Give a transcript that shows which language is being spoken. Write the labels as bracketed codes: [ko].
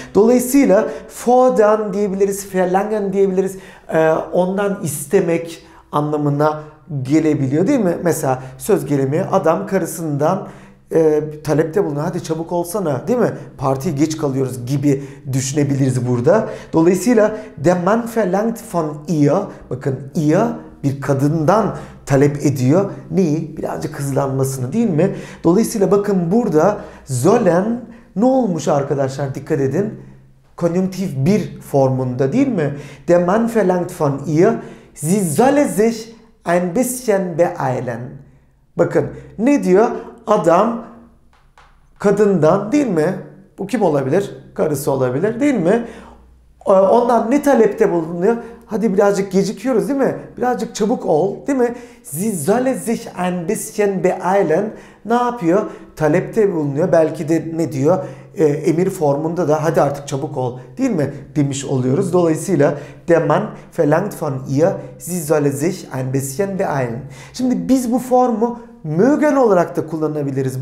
[tr] Dolayısıyla fordern diyebiliriz, verlangen diyebiliriz, ondan istemek anlamına gelebiliyor, değil mi? Mesela söz gelimi adam karısından talepte bulunuyor. Hadi çabuk olsana, değil mi? Partiye geç kalıyoruz gibi düşünebiliriz burada. Dolayısıyla [de] der Mann verlangt von ihr. [tr] Bakın ihr bir kadından talep ediyor. Neyi? Birazcık hızlanmasını, değil mi? Dolayısıyla bakın burada sollen ne olmuş arkadaşlar? Dikkat edin. Konjunktif bir formunda, değil mi? [de] Der Mann verlangt von ihr. Sie solle sich ein bisschen beeilen. [tr] Bakın ne diyor? Adam kadından, değil mi? Bu kim olabilir? Karısı olabilir, değil mi? Ondan ne talepte bulunuyor? Hadi birazcık gecikiyoruz, değil mi? Birazcık çabuk ol, değil mi? [de] Sie solle sich ein bisschen beeilen. [tr] Ne yapıyor? Talepte bulunuyor. Belki de ne diyor? Emir formunda da hadi artık çabuk ol, değil mi? Demiş oluyoruz. Dolayısıyla [de] der Mann verlangt von ihr, sie solle sich ein bisschen beeilen. [tr] Şimdi biz bu formu mögen olarak da kullanabiliriz.